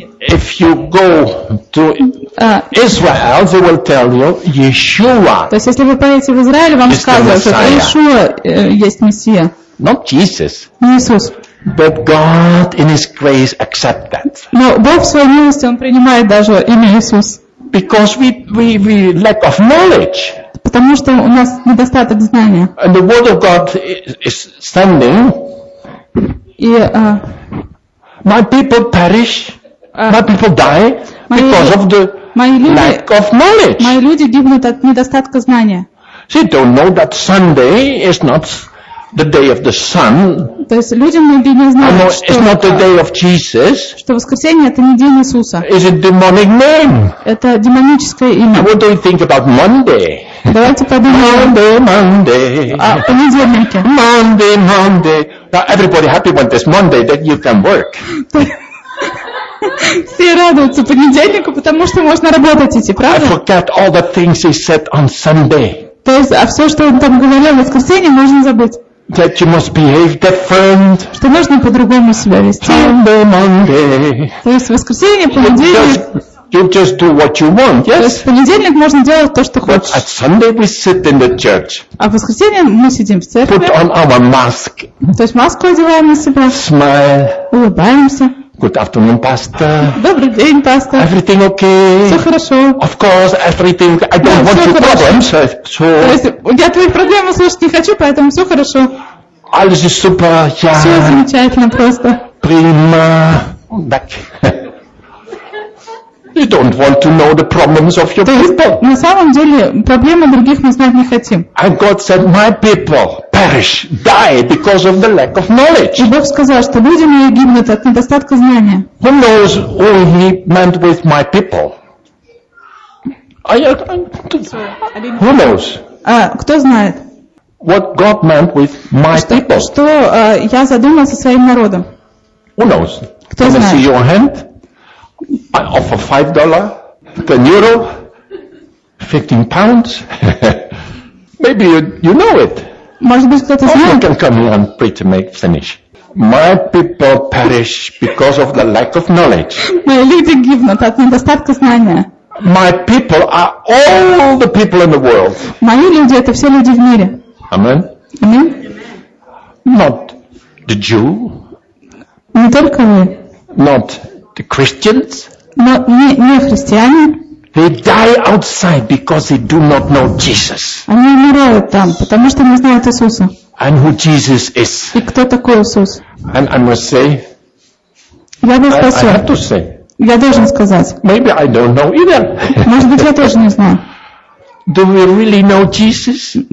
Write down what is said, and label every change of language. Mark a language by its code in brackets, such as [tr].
[en] If you go to Israel, they will tell you Yeshua. [ru] То есть если вы поедете в Израиль, вам скажут, что Иешуа есть Мессия. [en] Not Jesus. [ru] Не Иисус. [en] But God in His grace accepts that. [ru] Но Бог в своей милости он принимает даже имя Иисус. [en] Because we lack of knowledge. [ru] Потому что у нас недостаток знания. [en] And the word of God is standing. [ru] И [en] my people perish. My people die because of the lack of knowledge. [ru] Мои люди гибнут от недостатка знания. [en] They don't know that Sunday is not the day of the sun. [ru] То есть люди многие не знают, что воскресенье это не день Иисуса. [en] Is it demonic name? [ru] Это демоническое имя. [en] What do you think about Monday? [ru] Давайте подумаем. [en] Monday, Monday. [ru] А понедельники. [en] Monday, Monday. Now everybody happy when this Monday that you can work. [ru] Все радуются понедельнику, потому что можно работать идти, правда? [en] I forget all the things he said on Sunday. [ru] То есть, а все, что он там говорил в воскресенье, можно забыть. [en] That you must behave different. [ru] Что нужно по-другому себя вести. [en] Monday, Monday. [ru] То есть, в воскресенье, понедельник. [en] You just do what you want, yes? [ru] То есть, в понедельник можно делать то, что хочешь. [en] But at Sunday we sit in the church. [ru] А в воскресенье мы сидим в церкви. [en] Put on our mask. [ru] То есть, маску одеваем на себя. [en] Smile. [ru] Улыбаемся. [en] Good afternoon, Pastor. [ru] Добрый день, пастор. [en] Everything okay? [ru] Все хорошо. [en] Of course, everything. I don't want your problems. So. [ru] Я твои проблемы слушать не хочу, поэтому все хорошо. [en] All is super. Yeah. [ru] Все замечательно просто. [en] Prima. Back. You don't want to know the problems of your people. [ru] На самом деле проблемы других мы знать не хотим. [en] And God said, my people. Perish, die because of the lack of knowledge. [ru] И Бог сказал, что люди мои гибнут от недостатка знания. [en] Who knows who he meant with my people? Who knows? [ru] Кто знает? [en] What God meant with my people? [ru] Что я задумал со своим народом? [en] Who knows? [ru] Кто знает? [en] Can I see your hand? I offer $5, 10 euro, 15 pounds. Maybe you know it. [ru] Может быть, кто-то знает. [en] Oh, you can come and pray to make finish. My people perish because of the lack of knowledge. [ru] Мои люди гибнут от недостатка знания. [en] My people are all the people in the world. [ru] Мои люди это все люди в мире. [en] Amen. Amen. Not the Jew. [ru] Не только мы. [en] Not the Christians. [ru] Но не христиане. [en] They die outside because they do not know Jesus. [ru] Они умирают там, потому что не знают Иисуса. [en] And who Jesus is? [ru] И кто такой Иисус? [en] And I must say. [ru] Я должен сказать. [en] I have to say. [ru] Я должен сказать. [en] Maybe I don't know either. [ru] Может быть, я тоже не знаю. [en] Do we really know Jesus?